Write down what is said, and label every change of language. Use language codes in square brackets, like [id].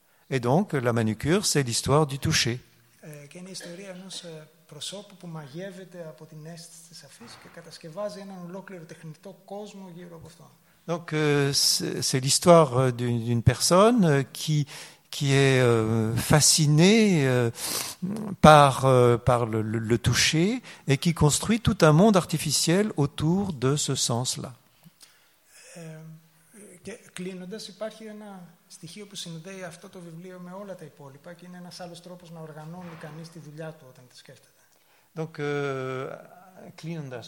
[fr] Et donc, La Manucure, c'est l'histoire du toucher. [el] Και είναι η ιστορία ενός προσώπου που μαγεύεται από την αίσθηση της αφής και κατασκευάζει έναν ολόκληρο τεχνητό κόσμο γύρω από αυτό. [fr] Donc c'est l'histoire d'une personne qui est fascinée par le toucher et qui construit tout un monde artificiel autour de ce sens-là. [el] Και κλείνοντας, υπάρχει ένα στοιχείο που συνδέει αυτό το βιβλίο με όλα τα υπόλοιπα και είναι ένας άλλος τρόπος να οργανώνει κανείς τη δουλειά του όταν τη σκέφτεται. [fr] Donc [el] κλείνοντας